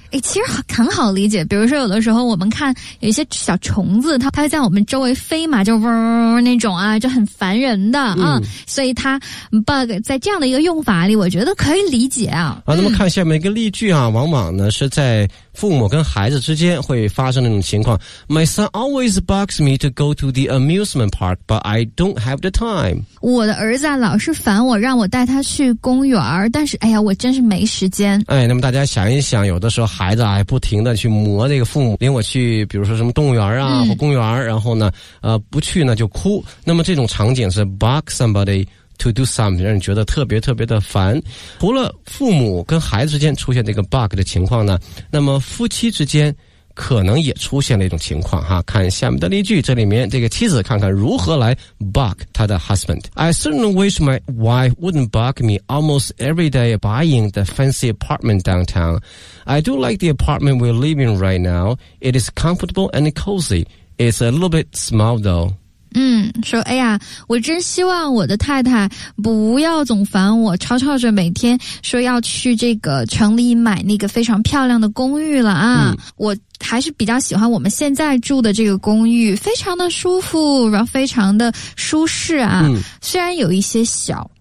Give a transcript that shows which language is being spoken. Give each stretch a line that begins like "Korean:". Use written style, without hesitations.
Chinese: 诶，其实很好理解，比如说有的时候我们看有一些小虫子它会在我们周围飞嘛，就嗡那种啊，就很烦人的啊，所以它 bug 在这样的一个用法里我觉得可以理解啊。啊，那么看下面一个例句啊，往往呢是在父母跟孩子之间会发生那种情况。
English: My son always bugs me to go to the amusement park, but I don't have the time.
Chinese: 我的儿子啊老是烦我让我带他去公园，但是哎呀我真是没时间。哎，那么大家想一想，有的时候孩子还不停的去磨这个父母，领我去比如说什么动物园啊或公园，然后呢不去呢就哭。那么这种场景是
English: bug somebody to do something,
Chinese: 让你觉得特别特别的烦。除了父母跟孩子之间出现这个 bug 的情况呢，那么夫妻之间可能也出现了一种情况哈，看下面的例句，这里面这个妻子看看如何来 bug 她的 husband。
English: I certainly wish my wife wouldn't bug me almost every day buying the fancy apartment downtown. I do like the apartment we're living right now. It is comfortable and cozy. It's a little bit small though.
Chinese: 说哎呀我真希望我的太太不要总烦我吵吵着每天说要去这个城里买那个非常漂亮的公寓了啊，我还是比较喜欢我们现在住的这个公寓，非常的舒服然后非常的舒适啊，虽然有一些小。